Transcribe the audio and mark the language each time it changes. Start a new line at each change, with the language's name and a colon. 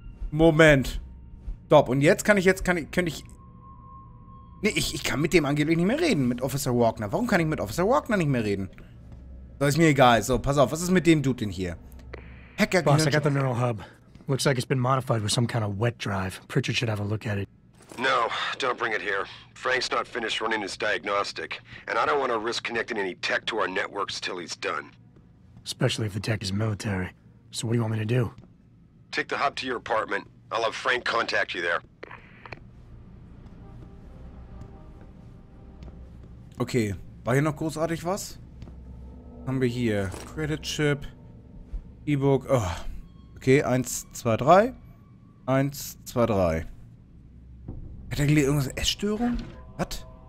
German: Moment. Stopp. Und jetzt kann ich, Nee, ich kann mit dem angeblich nicht mehr reden, mit Officer Wagner. Warum kann ich mit Officer Wagner nicht mehr reden? So, ist mir egal. So, pass auf, was ist mit dem Dude denn hier? Hacker.
English: Boss, I got the neural hub. Looks like it's been modified with some kind of wet drive. Pritchard should have a look at it. No, don't bring it here. Frank's not finished running his diagnostic. And I don't want to risk connecting any tech to our networks till he's done. Especially if the tech is military. So what do you want me to do? Take the hub to your apartment. I'll have Frank contact you there.
German: Okay, war hier noch großartig was? Haben wir hier Credit Chip, E-Book, oh. Okay, 1, 2, 3. 1, 2, 3. Hat er gelesen, irgendwas? Essstörung? Was?